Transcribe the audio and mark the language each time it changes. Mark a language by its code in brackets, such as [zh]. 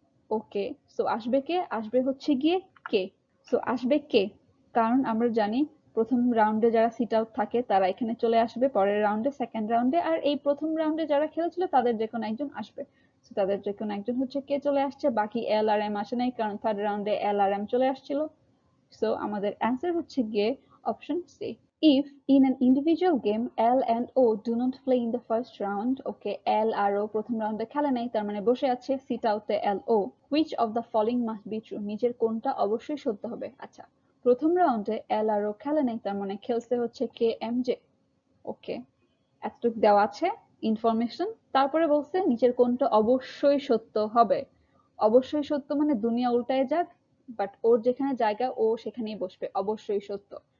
[bn] ওকে, so আসবে কে? আসবে হচ্ছে গিয়ে কে। সো আসবে কে, কারণ আমরা জানি প্রথম রাউন্ডে যারা সিট আউট থাকে তারা এখানে চলে আসবে পরের রাউন্ডে, সেকেন্ড রাউন্ডে, আর এই প্রথম রাউন্ডে যারা খেলেছিল তাদের যে কোনো একজন আসবে। সো তাদের যে কোনো একজন হচ্ছে কে চলে আসছে, বাকি এল আর এম আসে নাই, কারণ থার্ড রাউন্ডে এল আর এম চলে আসছিল। সো আমাদের অ্যান্সার হচ্ছে গিয়ে option C. [en] If in an individual game L and O do not play in the first round, okay, [bn] L আর O প্রথম রাউন্ডে খেলে নাই, তার মানে বসে আছে সিট আউটে L O, [en] which of the following must be true? [bn] নিজের কোনটা অবশ্যই সত্য হবে? আচ্ছা, প্রথম রাউন্ডে L আর O খেলে নাই, তার মানে খেলতে হচ্ছে কে এম জে, ওকে, এতটুক দেওয়া আছে ইনফরমেশন। তারপরে বলছে নিচের কোনটা অবশ্যই সত্য হবে, অবশ্যই সত্য মানে দুনিয়া উল্টায় যাক, বাট ওর যেখানে জায়গা ও সেখানেই বসবে, অবশ্যই সত্য।